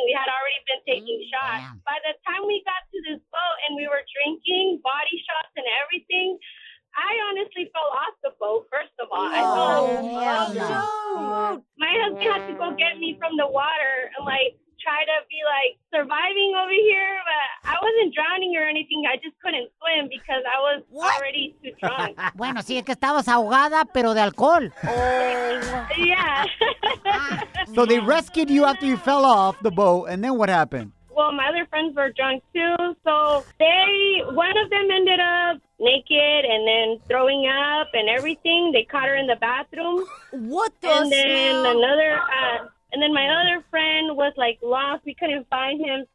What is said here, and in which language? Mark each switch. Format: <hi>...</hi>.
<en>We had already been taking shots. Damn. By the time we got to this boat and we were drinking body shots and everything, I honestly fell off the boat, first of all. No, I fell off the boat. No. My husband had to go get me from the water and, like, try to be, like, surviving over here. But I wasn't drowning or anything. I just couldn't swim because I was already too drunk.</en> <es>Bueno, sí, es que estabas ahogada, pero de alcohol.</es> <en>Yeah. So they rescued you after you fell off the boat, and then what happened? Well, my other friends were drunk, too. So one of them ended up naked and then throwing up and everything. They caught her in the bathroom. What the And then another, and then my other friend was, like, lost. We couldn't find him.</en>